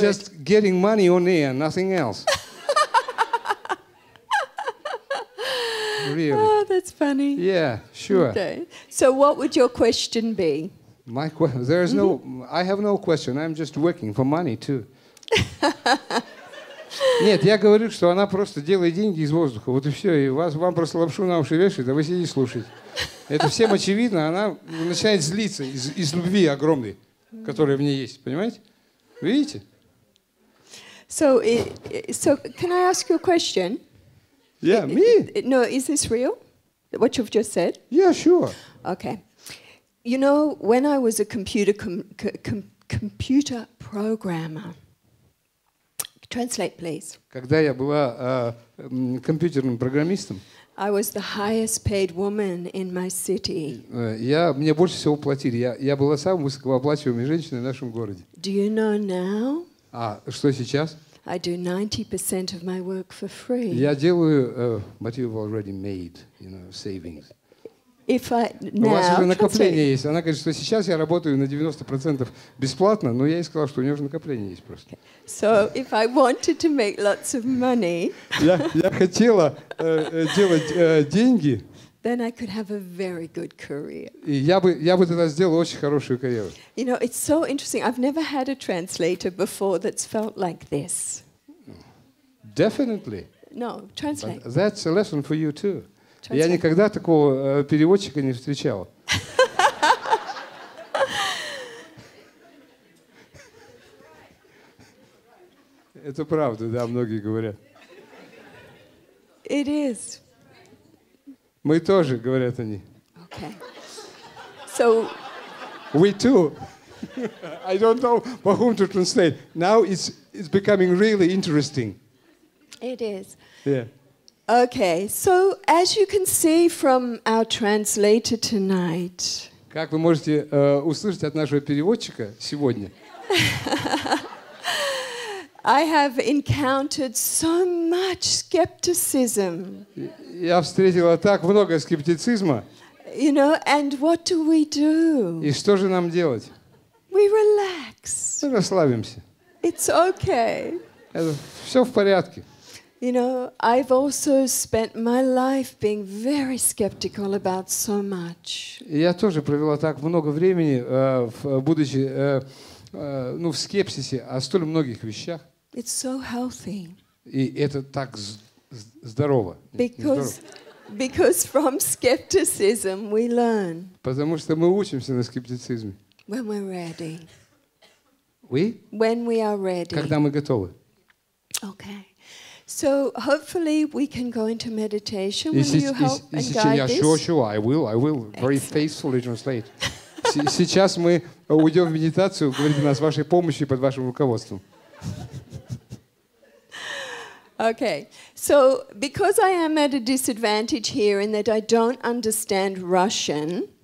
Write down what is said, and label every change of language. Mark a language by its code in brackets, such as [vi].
[en] Just getting money on air, nothing else. Really. Oh, that's funny. Yeah, sure. Okay. So what would your question be? My question, there is no, I have no question, I'm just working for money too. [ru] Нет, я говорю, что она просто делает деньги из воздуха, вот и все, и вас, вам просто лапшу на уши вешает, а вы сидите слушаете. Это всем очевидно, она начинает злиться из любви огромной, которая в ней есть, понимаете? Видите? [en] So, can I ask you a question? Yeah, me? No, is this real? What you've just said? Yeah, sure. Okay. You know, when I was a computer programmer, translate please. [ru] Когда я была компьютерным программистом. [en] I was the highest paid woman in my city. [ru] Мне больше всего платили. Я была самой высокооплачиваемой женщиной в нашем городе. [en] Do you know now? [ru] А что сейчас? [en] I do 90% of my work for free. [ru] Я делаю [en] what you've already made, you know, savings. If I now, [ru] у вас уже накопление translate. Есть. Она говорит, что сейчас я работаю на 90% бесплатно, но я ей сказал, что у нее уже накопление есть просто. [en] Okay. So if I wanted to make lots of money, [ru] я хотела делать деньги, [en] then I could have a very good career. [ru] И я бы тогда сделал очень хорошую карьеру. [en] You know, it's so interesting. I've never had a translator before that's felt like this. Definitely. No, translate. But that's a lesson for you too. [ru] Я никогда такого переводчика не встречал. Это правда, да, многие говорят. [en] It is. [ru] Мы тоже, говорят они. [en] Okay. So. We too. I don't know for whom to translate. Now it's becoming really interesting. It is. Yeah. Okay, so as you can see from our translator tonight. [ru] Как вы можете услышать от нашего переводчика сегодня? [en] I have encountered so much skepticism. [ru] Я встретила так много скептицизма. [en] You know, and what do we do? [ru] И что же нам делать? [en] We relax. [ru] Мы расслабимся. [en] It's okay. [ru] Это все в порядке. [en] You know, I've also spent my life being very skeptical about so much. [ru] Я тоже провела так много времени, будучи, ну, в скепсисе о столь многих вещах. [en] It's so healthy. [ru] И это так здорово. [en] Because from skepticism we learn. [ru] Потому что мы учимся на скептицизме. [en] When we're ready. We? When we are ready. [ru] Когда мы готовы. [en] Okay. So hopefully we can go into meditation. Will you help and guide this? Yeah, sure, I will. Excellent. Very faithfully translate. [ru] Сейчас мы уйдем в медитацию, говорите нас вашей помощью под вашим руководством. [en] Okay. So because I am at a disadvantage here in that I don't understand Russian.